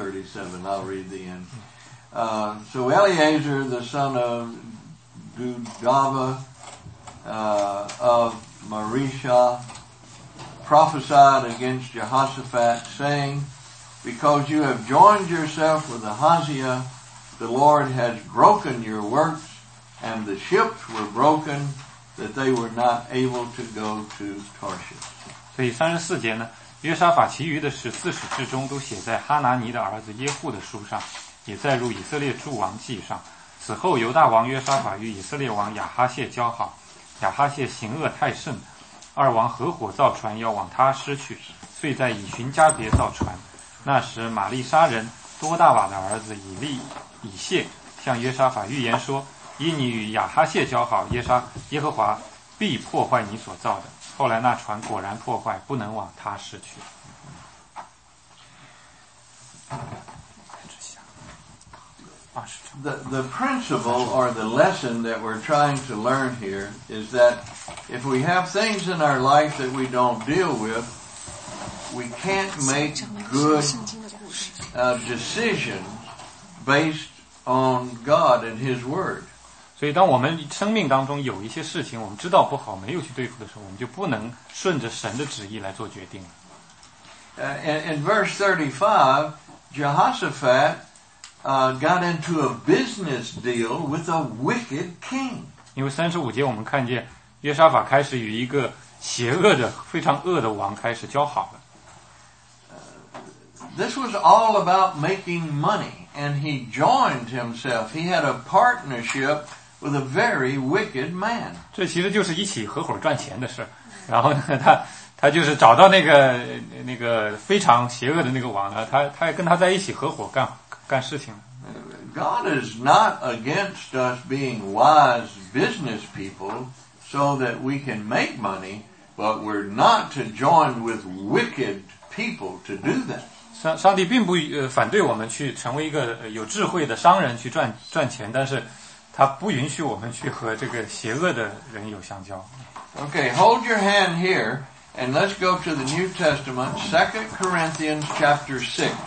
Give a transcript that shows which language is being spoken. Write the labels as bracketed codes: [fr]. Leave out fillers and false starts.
[en] Through verse 36 and 37. I'll read the end. So Eleazar, the son of Dudava, of Marisha, prophesied against Jehoshaphat, saying, because you have joined yourself with Ahaziah, the Lord has broken your works, and the ships were broken, that they were not able to go to Tarshish. [zh] 所以34节呢，约沙法其余的十四使之中都写在哈拿尼的儿子耶户的书上，也载入以色列诸王记上。此后犹大王约沙法与以色列王亚哈谢交好，亚哈谢行恶太甚，二王合伙造船要往他失去，遂在以寻加别造船。那时玛利沙人多大瓦的儿子以谢向约沙法预言说，因你与亚哈谢交好，耶和华必破坏你所造的。后来那船果然破坏，不能往他驶去。 [en] The principle or the lesson that we're trying to learn here is that if we have things in our life that we don't deal with, we can't make good decisions based on God and His Word. [zh] 所以当我们生命当中有一些事情我们知道不好没有去对付的时候我们就不能顺着神的旨意来做决定了。 [en] In verse 35, Jehoshaphat got into a business deal with a wicked king. [zh] 因为35节我们看见约沙法开始与一个邪恶的非常恶的王开始交好了。 [en] This was all about making money, and he joined himself. He had a partnership with a very wicked man. [zh] 这其实就是一起合伙赚钱的事。然后呢，他就是找到那个非常邪恶的那个王呢，他跟他在一起合伙干事情。 [en] God is not against us being wise business people so that we can make money, but we're not to join with wicked people to do that. [zh] 上帝并不反对我们去成为一个有智慧的商人去赚钱，但是他不允许我们去和这个邪恶的人有相交。 [en] Okay, hold your hand here, and let's go to the New Testament, 2 Corinthians chapter 6.